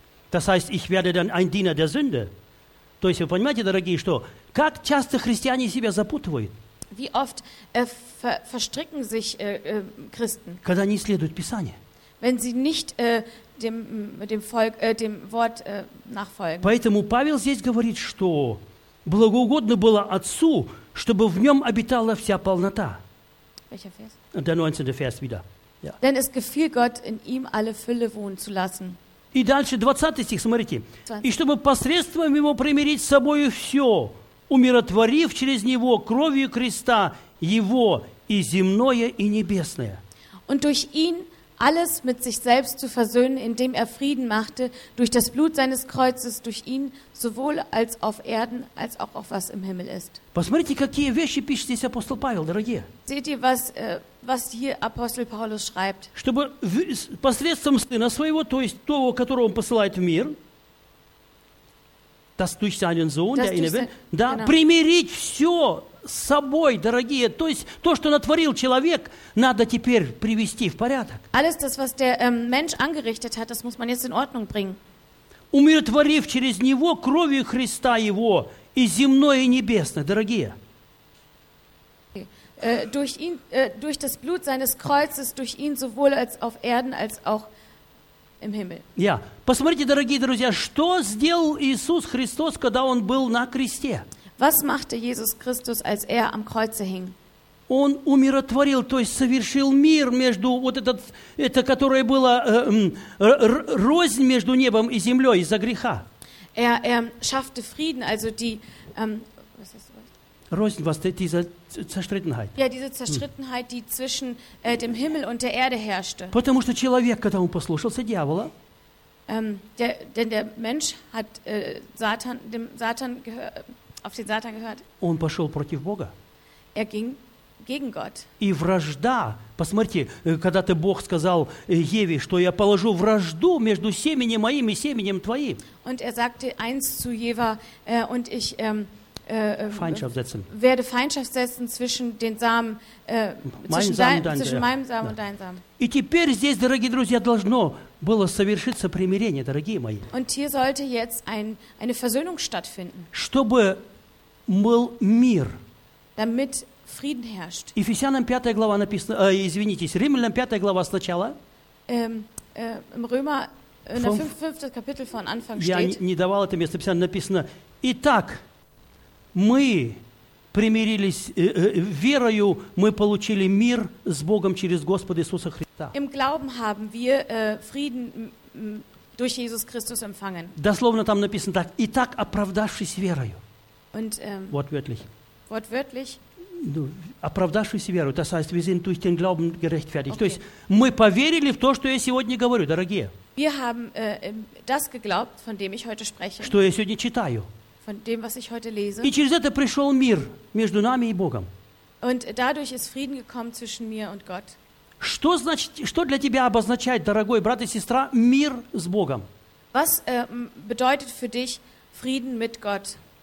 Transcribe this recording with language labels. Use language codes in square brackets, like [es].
[de] Das heißt, ich werde dann ein Diener der Sünde. [ru] То есть, вы понимаете, дорогие, что как часто христиане себя запутывают? [de] Wie oft verstricken sich Christen? [ru] Когда не следуют Писанию. [de] Wenn sie nicht dem Volk, dem Wort nachfolgen. [ru] Поэтому Павел здесь говорит, что благоугодно было Отцу, чтобы в нем обитала вся полнота. [de] Welcher Vers? Der 19. Vers wieder. Ja. Denn es gefiel Gott, in ihm alle Fülle wohnen zu lassen. [ru] И дальше 20 стих, смотрите. 20. И чтобы посредством его примирить с собою все, умиротворив через него кровью креста его и земное, и небесное. [de] Und durch ihn alles mit sich selbst zu versöhnen, indem er Frieden machte, durch das Blut seines Kreuzes, durch ihn, sowohl als auf Erden, als auch auf was im Himmel ist. [ru] Посмотрите, какие вещи пишет здесь апостол Павел, дорогие. [de] Seht ihr, was hier Apostel Paulus schreibt? [ru] Чтобы посредством сына своего, то есть того, которого он посылает в мир, [de] das durch seinen Sohn, der in der Welt, [ru] да, genau. Примирить все с собой, дорогие, то есть то, что натворил человек, надо теперь привести в порядок. [de] Alles das, was der Mensch angerichtet hat, das muss man jetzt in Ordnung bringen. [ru] Умиротворив через него кровью Христа его и земное, и небесное, дорогие. [de] Durch ihn, durch das Blut seines Kreuzes, durch ihn sowohl als auf Erden, als auch im Himmel. [ru] Ja, посмотрите, дорогие друзья, что сделал Иисус Христос, когда он был на кресте? [de] Was machte Jesus Christus, als er am Kreuze hing? [ru] Он умиротворил, то есть совершил мир между вот этот, это которое было рознь между небом и землей из-за греха. [de] Er schaffte Frieden, also die was heißt das? Рознь, was diese Zerstrittenheit. Ja, diese Zerstrittenheit, die zwischen dem Himmel und der Erde herrschte. [ru] Потому что человек, когда он послушался дьявола, [de] denn der Mensch hat Satan, dem Satan gehört. auf den Satan gehört. [ru] Он пошел против Бога. [de] Er ging gegen Gott. [ru] И вражда, посмотрите, когда ты Бог сказал Еве, что я положу вражду между семенем моим и семенем твоим. [de] Und er sagte eins zu Eva, und ich Feindschaft setzen. Werde Feindschaft setzen zwischen den Samen, zwischen meinem Samen und deinem Samen. [ru] И теперь здесь, дорогие друзья, должно было совершиться примирение, дорогие мои. [de] Und hier sollte jetzt eine Versöhnung stattfinden. [ru] Чтобы был мир. [de] Damit Frieden herrscht. [en] Ephesians 5. [ru] глава написано, извинитесь, Римлянам 5. глава сначала. [de] Im Römer, in der 5. Kapitel von Anfang steht. [ru] Я не давал это место писания, написано. Итак, мы примирились, верою мы получили мир с Богом через Господа Иисуса Христа. [de] Im Glauben haben wir Frieden durch Jesus Christus empfangen. [ru] Дословно там написано так. Итак, оправдавшись верою. [de] Und, wortwörtlich. Wortwörtlich. [ru] Оправдавшись верою. [de] Das heißt, wir sind durch den Glauben gerechtfertigt. [ru] Okay. То есть, мы поверили в то, что я сегодня говорю, дорогие. [de] Wir haben das geglaubt, von dem ich heute spreche. [ru] Что я сегодня читаю. [de] Von dem, was ich heute lese. [ru] И через это пришел мир между нами и Богом. [de] Und dadurch ist Frieden gekommen zwischen mir und Gott. [ru] Что значит, что для тебя обозначает, дорогой брат и сестра, мир с Богом? [de] Was bedeutet für dich Frieden mit Gott?